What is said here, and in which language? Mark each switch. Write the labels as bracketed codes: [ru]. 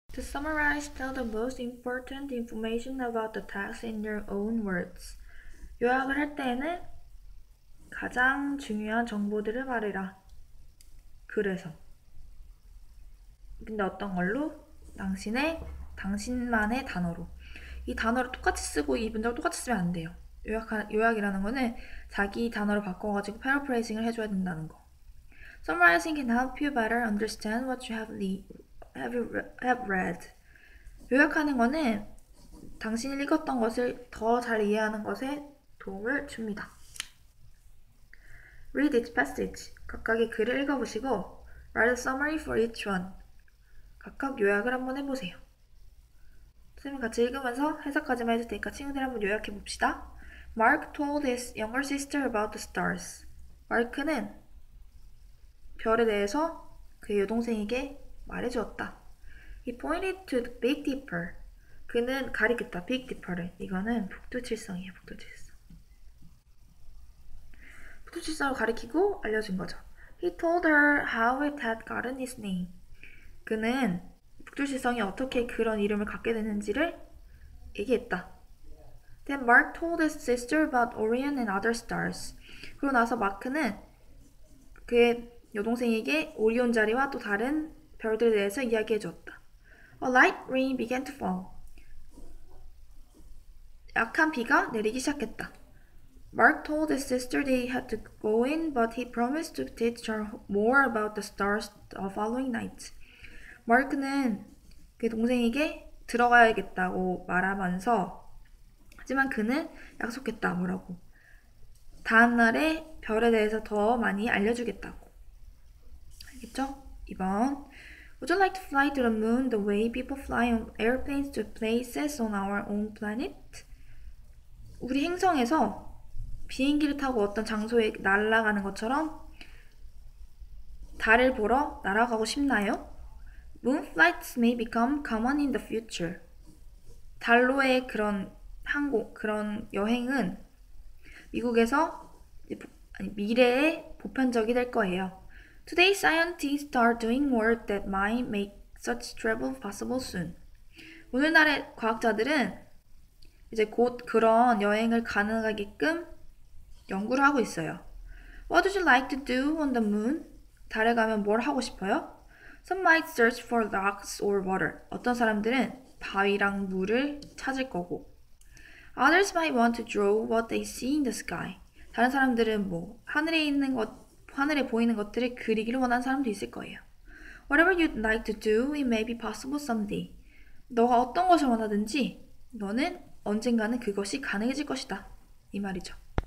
[en] To summarize, tell the most important information about the task in your own words. [ko] 요약을 할 때에는 가장 중요한 정보들을 말해라. 그래서 근데 어떤 걸로? 당신만의 단어로. 이 단어를 똑같이 쓰고 이 문장을 똑같이 쓰면 안 돼요. 요약이라는 거는 자기 단어를 바꿔가지고 패러프레이징을 해줘야 된다는 거. [en] Summarizing can help you better understand what you have read. [ko] 요약하는 거는 당신이 읽었던 것을 더 잘 이해하는 것에 도움을 줍니다. [en] Read each passage. [ko] 각각의 글을 읽어보시고 [en] Write a summary for each one. [ko] 각각 요약을 한번 해보세요. 선생님 같이 읽으면서 해석까지만 해줄 테니까 친구들 한번 요약해봅시다. [en] Mark told his younger sister about the stars. [ko] 마크는 별에 대해서 그의 여동생에게 말해주었다. [en] He pointed to the Big Dipper. [ko] 그는 가리켰다. [en] Big Dipper를. [ko] 이거는 북두칠성이에요. 북두칠성. 북두칠성을 가리키고 알려준 거죠. [en] He told her how it had gotten its name. [ko] 그는 북두칠성이 어떻게 그런 이름을 갖게 됐는지를 얘기했다. [en] Then Mark told his sister about Orion and other stars. [ko] 그러고 나서 마크는 그의 여동생에게 오리온 자리와 또 다른 별들에 대해서 이야기해 주었다. [en] A light rain began to fall. [ko] 약한 비가 내리기 시작했다. [en] Mark told his sister they had to go in, but he promised to teach her more about the stars the following night. [ko] 마크는 그 동생에게 들어가야겠다고 말하면서 하지만 그는 약속했다 뭐라고 다음 날에 별에 대해서 더 많이 알려주겠다고 알겠죠? [en] 2번 Would you like to fly to the moon the way people fly on airplanes to places on our own planet? [ko] 우리 행성에서 비행기를 타고 어떤 장소에 날아가는 것처럼 달을 보러 날아가고 싶나요? [en] Moon flights may become common in the future. [ko] 달로의 그런 항공, 그런 여행은 미국에서 미래에 보편적이 될 거예요. [en] Today scientists are doing work that might make such travel possible soon. [ko] 오늘날의 과학자들은 이제 곧 그런 여행을 가능하게끔 연구를 하고 있어요. [en] What would you like to do on the moon? [ko] 달에 가면 뭘 하고 싶어요? [en] Some might search for rocks or water. [ko] 어떤 사람들은 바위랑 물을 찾을 거고. [en] Others might want to draw what they see in the sky. [ko] 다른 사람들은 뭐 하늘에 있는 것, 하늘에 보이는 것들을 그리기를 원하는 사람도 있을 거예요. [en] Whatever you'd like to do, it may be possible someday. [ko] 너가 어떤 것을 원하든지 너는 언젠가는 그것이 가능해질 것이다. 이 말이죠.